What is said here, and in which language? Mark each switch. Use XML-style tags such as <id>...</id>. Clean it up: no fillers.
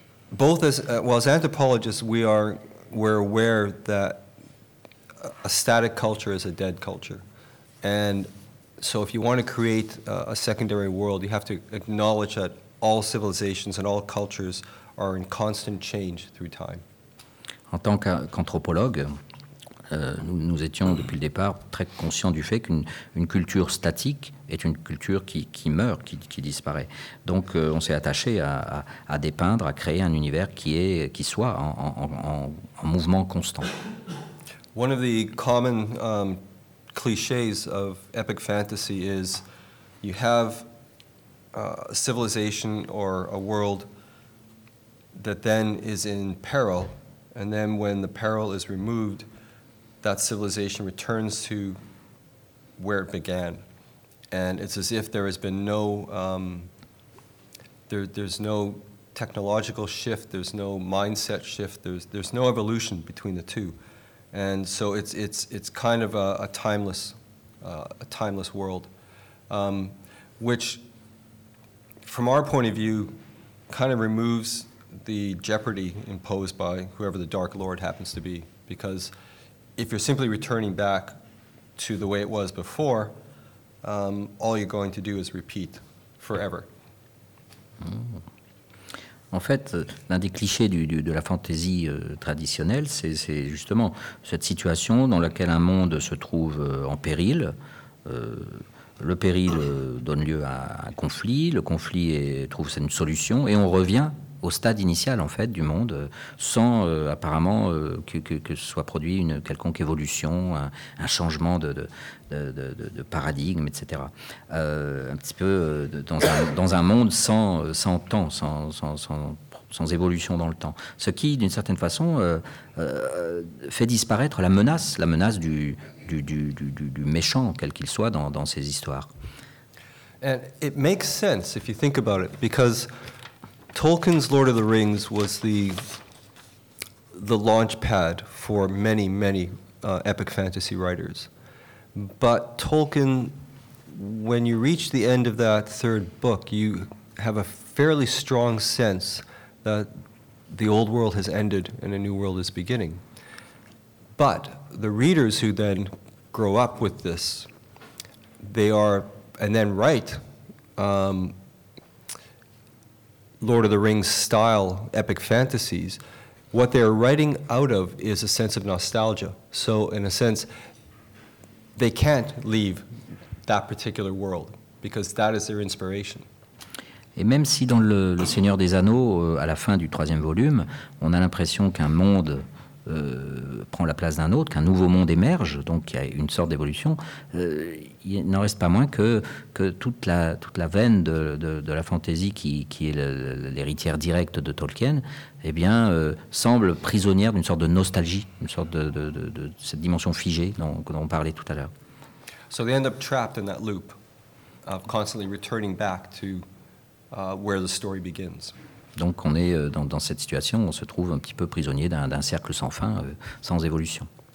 <en>Both as anthropologists, we're aware that a static culture is a dead culture. And so if you want to create a secondary world, you have to acknowledge that all civilizations and all cultures are in constant change through time.</en> <fr>En tant qu'anthropologue, nous étions depuis le départ très conscients du fait qu'une culture statique est une culture qui meurt, qui disparaît. Donc on s'est attaché à dépeindre, à créer un univers qui soit en mouvement constant.</fr> <en>One of the common clichés of epic fantasy is you have a civilization or a world that then is in peril, and then when the peril is removed, that civilization returns to where it began. And it's as if there has been no, there's no technological shift, there's no mindset shift, there's no evolution between the two. And so it's kind of a timeless world, which from our point of view kind of removes the jeopardy imposed by whoever the Dark Lord happens to be, because if you're simply returning back to the way it was before, all you're going to do is repeat forever.</en> <fr>En fait, l'un des clichés de la fantasy traditionnelle, c'est justement cette situation dans laquelle un monde se trouve en péril. Le péril donne lieu à un conflit, le conflit trouve une solution, et on revient au stade initial en fait du monde, sans apparemment que ce soit produit une quelconque évolution, un changement de paradigme, etc. Un petit peu dans un monde sans temps, sans évolution dans le temps, ce qui d'une certaine façon fait disparaître la menace du méchant quel qu'il soit dans ces histoires.</fr> <en>And it makes sense if you think about it, because Tolkien's Lord of the Rings was the launch pad for many, many epic fantasy writers. But Tolkien, when you reach the end of that third book, you have a fairly strong sense that the old world has ended and a new world is beginning. But the readers who then grow up with this, they are, and then write Lord of the Rings style epic fantasies, what they're writing out of is a sense of nostalgia. So in a sense, they can't leave that particular world because that is their inspiration.</en> <fr>Et même si dans le Seigneur des Anneaux, à la fin du troisième volume, on a l'impression qu'un monde prend la place d'un autre, qu'un nouveau monde émerge, donc il y a une sorte d'évolution, il n'en reste pas moins que toute la veine de la fantaisie qui est l'héritière directe de Tolkien, eh bien, semble prisonnière d'une sorte de nostalgie, une sorte de cette dimension figée dont on parlait tout à l'heure.</fr> <en>So they end up trapped in that loop of constantly returning back to where the story begins.</en> <fr>Donc on est dans cette situation, on se trouve un petit peu prisonnier d'un cercle sans fin, sans évolution.</fr>